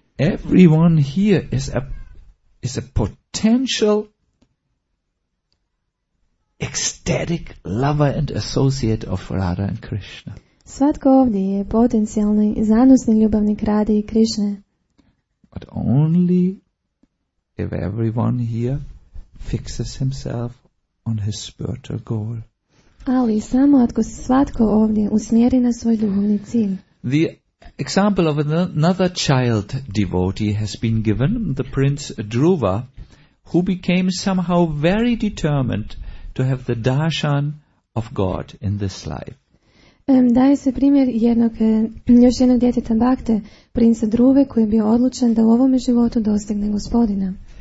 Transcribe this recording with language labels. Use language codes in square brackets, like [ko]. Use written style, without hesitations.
[en] Everyone here is a potential ecstatic lover and associate of Radha and Krishna. [hr] Svatko ovdje je potencijalni zanosni ljubavnik Radhe i Krishne. [en] But only if everyone here fixes himself on his spiritual goal. [hr] Ali samo ako svatko ovdje usmjeri na svoj duhovni cilj. [en] The example of another child devotee has been given, the prince Dhruva, who became somehow very determined to have the darshan of God in this life. [hr] Daje se primjer još jednog djeteta bhakte, princa Druve, koji je bio odlučan da u ovome životu dostigne Gospodina.